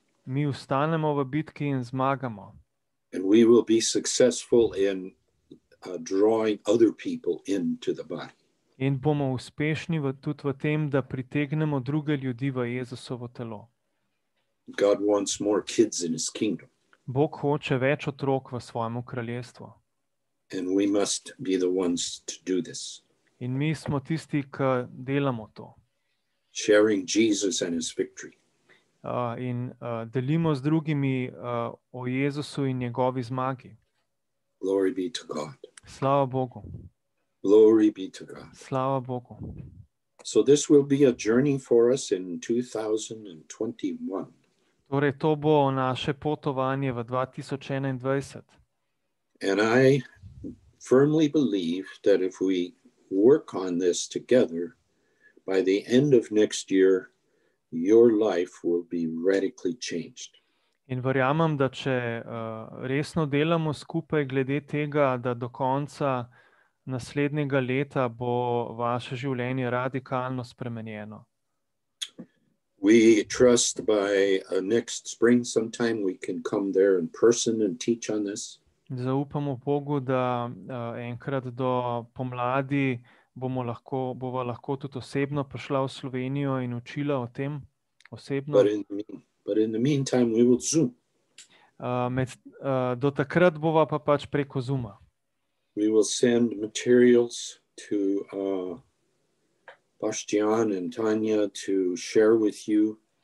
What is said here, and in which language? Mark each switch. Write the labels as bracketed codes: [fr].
[sl] Mi ustanemo v bitki in zmagamo. [en] And we will be successful in drawing other people into the body. [sl] In bomo uspešni tudi v tem, da pritegnemo druge ljudi v Jezusovo telo. [en] God wants more kids in his kingdom. [sl] Bog hoče več otrok v svojemu kraljestvu. [en] And we must be the ones to do this. [sl] In mi smo tisti, ki delamo to. [en] Sharing Jesus and his victory. [sl] In delimo z drugimi o Jezusu in njegovi zmagi. [en] Glory be to God. [sl] Slava Bogu. [en] Glory be to God. [sl] Slava Bogu. [en] So this will be a journey for us in 2021. [sl] Torej to bo naše potovanje v 2021. [en] And I firmly believe that if we work on this together by the end of next year, your life will be radically changed. [sl] In verjamem, da če resno delamo skupaj glede tega, da do konca naslednjega leta bo vaše življenje radikalno spremenjeno. [en] We trust by next spring sometime we can come there in person and teach on this. [sl] Zaupamo Bogu, da enkrat do pomladi bova lahko tudi osebno prišla v Slovenijo in učila o tem osebno. [en] But in the meantime we will Zoom. [sl] Do takrat bova pa pač preko Zooma. [en] We will send materials to Bastian and Tanya to share with you.